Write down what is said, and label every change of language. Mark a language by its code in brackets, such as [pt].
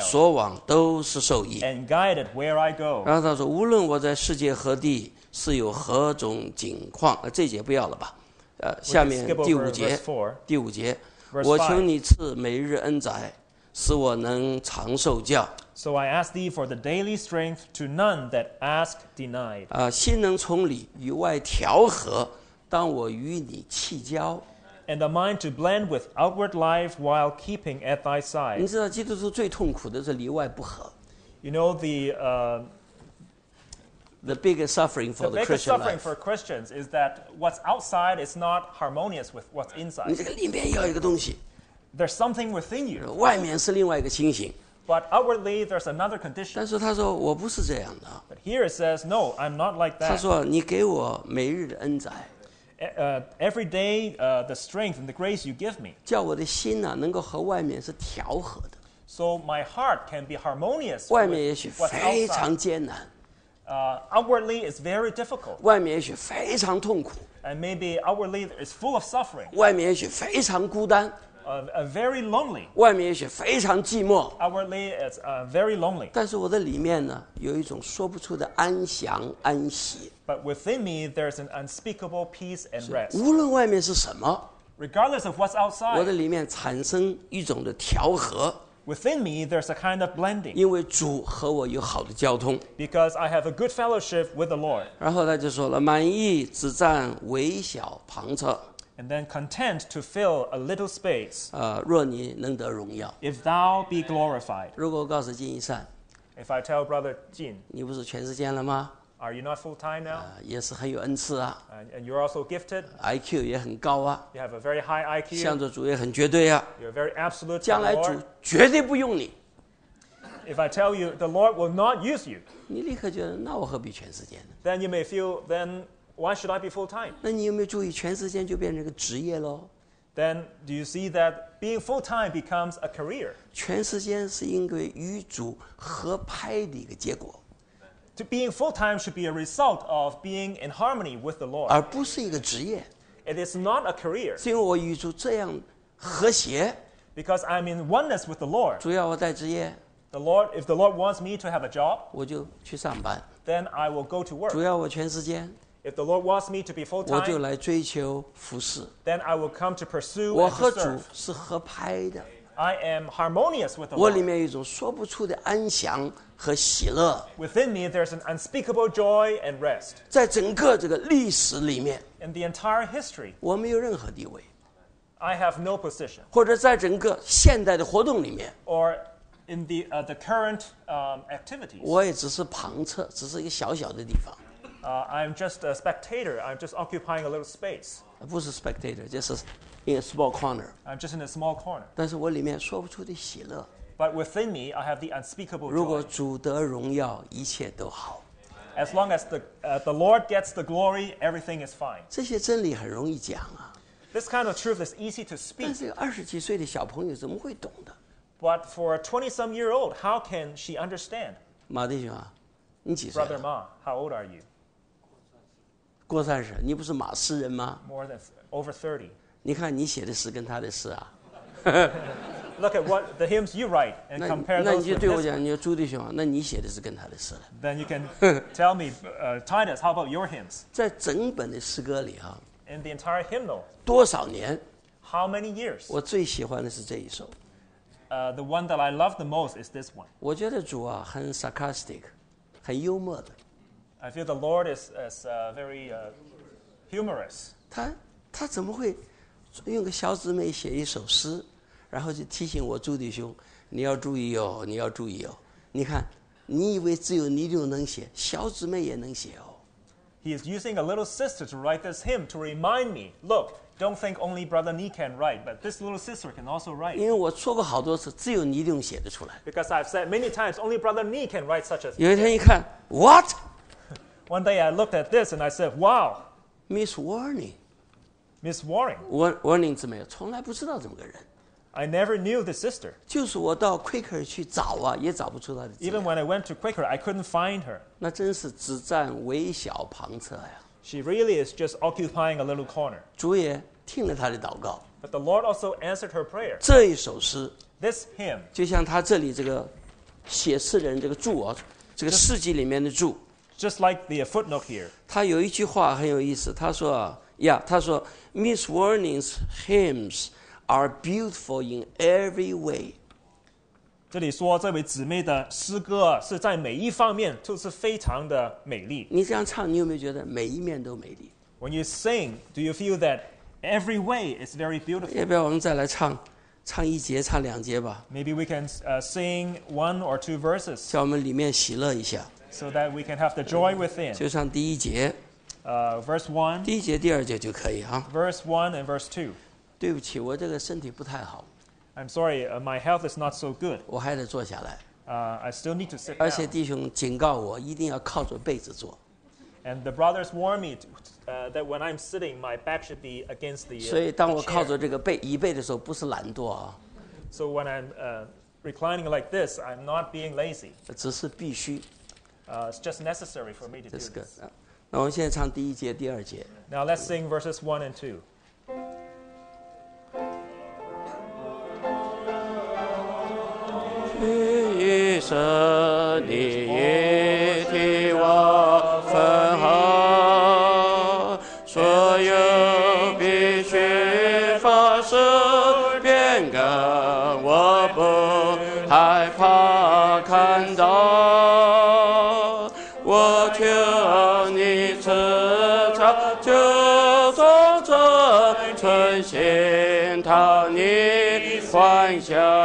[zh] 所往都是受益。 [en] And guided where I go. [zh] 然后他说，无论我在世界何地，是有何种景况。这节不要了吧？下面第五节，第五节，我求你赐每日恩宰，使我能长寿教。 [en] So I ask thee for the daily strength to none that ask denied. [zh] 心能从里与外调和，当我与你契交。 [en] And a mind to blend with outward life while keeping at thy side. [zh] 你知道基督徒最痛苦的是里外不和。 [en] You know the the biggest suffering for the Christian life. The biggest suffering for Christians is that what's outside is not harmonious with what's inside. [zh] 你这个里面有一个东西。 [en] There's something within you. [zh] 外面是另外一个情形。 [en] But outwardly, there's another condition. [zh] 但是他说我不是这样的。 [en] But here it says, no, I'm not like that. [zh] 他说你给我每日的恩宰。 [en] Every day, the strength and the grace you give me. [zh] 叫我的心呢、啊、能够和外面是调和的。 [en] So my heart can be harmonious. [zh] 外面也许非常艰难。 [en] Outwardly, it's very difficult. [zh] 外面也许非常痛苦。 [en] And maybe outwardly, it's full of suffering. [zh] 外面也许非常孤单。 [en] Very lonely. [zh] 外面也许非常寂寞。 [en] Outwardly, it's very lonely. [zh] 但是我的里面呢，有一种说不出的安详安息。 [en] But within me, there's an unspeakable peace and rest. [zh] 无论外面是什么 [en] ，Regardless of what's outside, [zh] 我的里面产生一种的调和。 [en] Within me, there's a kind of blending. [zh] 因为主和我有好的交通。 [en] Because I have a good fellowship with the Lord. [zh] 然后他就说了，满意只占微小旁侧。 [en] And then content to fill a little space. [zh] 若你能得荣耀。 [en] If thou be glorified. [zh] 如果我告诉金一善。 [en] If I tell brother Jin. [zh] 你不是全时间了吗？ [en] Are you not full time now? [zh] 也是很有恩赐啊。 [en] And you're also gifted. [zh] IQ 也很高啊。 [en] You have a very high IQ. [zh] 向着主也很绝对啊。 [en] You're very absolute. [zh] 将来主绝对不用你。 [en] If I tell you the Lord will not use you. [zh] 你立刻觉得那我何必全时间呢？ [en] Then you may feel then. Why should I be full time? [zh] 那你有没有注意，全时间就变成一个职业喽 [en] ？Then do you see that being full time becomes a career? [zh] 全时间是因为与主合拍的一个结果。 [en] To being full time should be a result of being in harmony with the Lord. [zh] 而不是一个职业。 [en] It is not a career. [zh] 是因为我与主这样和谐。 [en] Because I'm in oneness with the Lord. [zh] 主要我带职业。 [en] The Lord, if the Lord wants me to have a job, [zh] 我就去上班。 [en] Then I will go to work. [zh] 主要我全时间。 [en] If the Lord wants me to be full-time, [zh] 我就来追求服侍。 [en] Then I will come to pursue and to serve. [zh] 我和主是合拍的。 [en] I am harmonious with the Lord. [zh] 我里面有一种说不出的安详和喜乐。 [en] Within me, there's an unspeakable joy and rest. [zh] 在整个这个历史里面 [en] ，In the entire history, [zh] 我没有任何地位。 [en] I have no position. [zh] 或者在整个现代的活动里面 [en] ，Or in the current activities. [zh] 我也只是旁侧，只是一个小小的地方。 [en] I'm just a spectator. I'm just occupying a little space. [zh] 不是 [en] spectator, just in a small corner. I'm just in a small corner. [zh] 但是我里面说不出的喜乐。 [en] But within me, I have the unspeakable joy. [zh] 如果主得荣耀，一切都好。 [en] As long as the Lord gets the glory, everything is fine. [zh] 这些真理很容易讲啊。 [en] This kind of truth is easy to speak. [zh] 但是二十几岁的小朋友怎么会懂的 [en] ？But for a 20-some-year-old, how can she understand? [zh] 马弟兄啊，你几岁 [en] ？Brother Ma, how old are you? [zh] 过三十，你不是马诗人吗 [en] ？More than over 30. [zh] 你看你写的诗跟他的诗啊。 [en] Look at what the hymns you write and compare. [zh] 那你就对我讲，你说朱弟兄，那你写的是跟他的诗了。 [en] Then you can tell me, Titus, how about your hymns? [zh] 在整本的诗歌里啊。 [en] In the entire hymnal. [zh] 多少年 [en] ？How many years? [zh] 我最喜欢的是这一首。 [en] The one that I love the most is this one. [zh] 我觉得主啊，很 sarcastic, 很幽默的。 [en] I feel the Lord is very humorous. [zh] 他怎么会用个小姊妹写一首诗，然后就提醒我朱弟兄，你要注意哦，你要注意哦。你看，你以为只有你就能写，小姊妹也能写哦。 [en] He is using a little sister to write this hymn to remind me. Look, don't think only brother Ni can write, but this little sister can also write. [zh] 因为我错过好多次，只有你就能写得出来。 [en] Because I've said many times only brother Ni can write such a. [zh] 有一天一看 ， [en] What？ One day I looked at this and I said, wow. Miss Warning. Miss Warning. [zh] Warning 姊妹，从来不知道这么个人。 [en] I never knew the sister. [zh] 就是我到 Quaker 去找啊，也找不出她的。 [en] Even when I went to Quaker, I couldn't find her. [zh] 那真是只占微小旁侧呀。 [en] She really is just occupying a little corner. [zh] 主也听了她的祷告。 [en] But the Lord also answered her prayer. [zh] 这一首诗。 [en] This hymn. [zh] 就像他这里这个写诗人这个注啊，这个诗集里面的注。 [en] Just like the footnote here. [zh] 他有一句话很有意思，他说啊，呀，他说 ， [en] Miss Warning's hymns are beautiful in every way. [zh] 这里说这位姊妹的诗歌是在每一方面都是非常的美丽。你这样唱，你有没有觉得每一面都美丽 [en] ？When you sing, do you feel that every way is very beautiful? [zh] 要不要我们再来唱，唱一节，唱两节吧 [en] ？Maybe we can sing one or two verses. [zh] 叫我们里面喜乐一下。 [en] So that we can have the joy within. [zh] 就唱第一节。 [en] Verse one. [zh] 第一节、第二节就可以啊。 [en] Verse one and verse two. [zh] 对不起，我这个身体不太好。 [en] I'm sorry, my health is not so good. [zh] 我还得坐下来。 [en] I still need to sit down. [zh] 而且弟兄警告我，一定要靠着被子坐。 [en] And the brothers warn me that when I'm sitting, my back should be against the chair. [zh] 所以当我靠着这个被椅背的时候，不是懒惰啊。 [en] So when I'm reclining like this, I'm not being lazy. [zh] 只是必须。 [en] It's just necessary for me to do this. [zh] 那我们现在唱第一节、第二节。 [en] Now let's sing verses one and two. [zh] 一生你也替我分好，所有必须发生变更，我不害怕看到，我求你赐下就算这存心讨你欢笑，